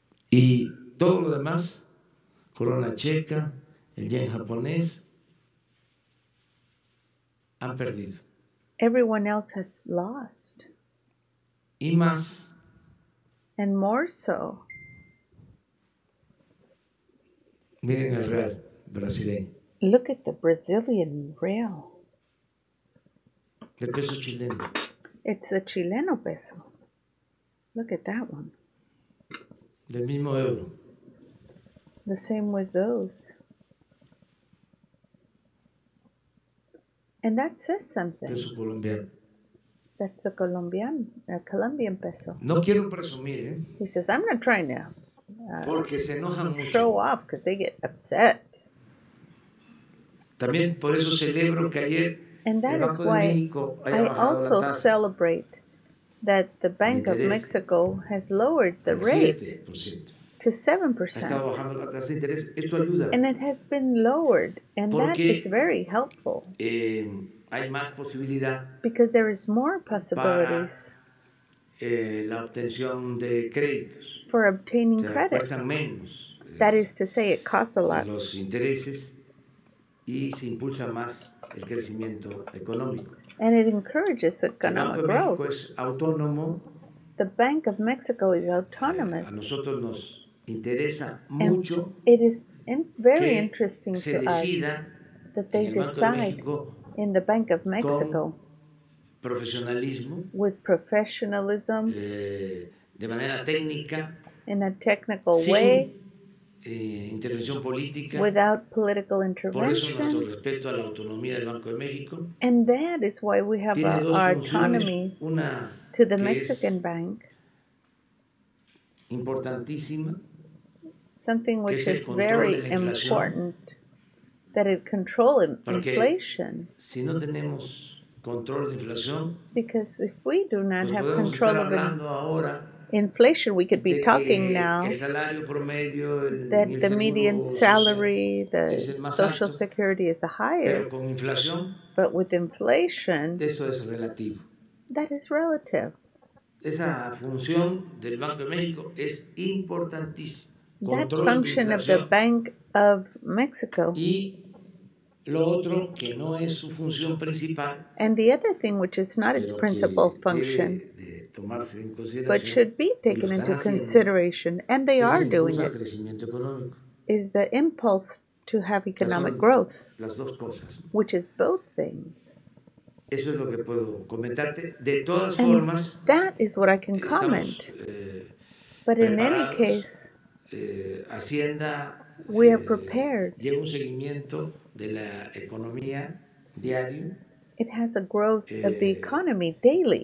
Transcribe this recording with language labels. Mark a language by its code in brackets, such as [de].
[es] Y todo lo demás, corona checa, el yen japonés, han perdido. [en] Everyone else has lost. [es] Y más. [en] And more so. [es] Miren el real brasileño. [en] Look at the Brazilian real. [es] El peso chileno. [en] It's a chileno peso. Look at that one. [es] Del mismo euro. [en] The same with those. And that says something. [es] Peso colombiano. [en] That's the Colombian peso. [es] No quiero presumir, ¿eh? [en] He says, I'm not trying to [es] porque se enojan [en] show [es] mucho. [en] Off because they get upset. [es] También por eso celebro que ayer [en] and that is why [es] México, [en] I also celebrate that the Bank of Mexico has lowered the rate [es] 7%. [en] To 7%. [es] Ha estado bajando la tasa de interés. Esto ayuda. [en] And it has been lowered, and [es] porque, [en] that is very helpful. [es] Hay más posibilidad. [en] Because there is more possibilities. [es] La obtención de créditos. [en] For obtaining credit. [es] Cuestan menos. [en] That is to say, it costs a lot. [es] Los intereses y se impulsa más el crecimiento económico. [en] And it encourages economic growth. [es] El Banco de México es autónomo. [en] The Bank of Mexico is autonomous. [es] A nosotros nos interesa mucho. [en] And it is very interesting to us. [es] Que se decida [en] that they decide in the Bank of Mexico. [es] Profesionalismo. [en] With professionalism. [es] De manera técnica. [en] In a technical way. [es] Intervención política. [en] Without political intervention. [es] Por eso nuestro respeto a la autonomía del Banco de México. [en] And that is why we have our autonomy to the Mexican Bank. [es] Importantísima. [en] Something which is very important. That it control inflation. [es] Si no tenemos control de inflación. [en] Because if we do not have control of [es] ahora, [en] inflation, we could be talking now [es] el salario promedio, [en] that the median salary, the social [es] alto, [en] security is the highest. Pero con inflación, but with inflation, [es] eso es relativo. [en] That is relative. [es] Esa función del Banco de México es importantísima. [en] That function of the Bank of Mexico. [es] Y lo otro que no es su función principal. [en] And the other thing which is not its principal function. But should be taken into consideration. And they are doing it. Is the impulse to have economic growth. [es] Las dos cosas. [en] Which is both things. [es] Eso es lo que puedo comentarte. De todas formas. [en] That is what I can comment. But in any case. [es] Hacienda. [en] We are prepared. [es] Lleva un seguimiento de la economía diario. [en] It has a growth of the economy daily.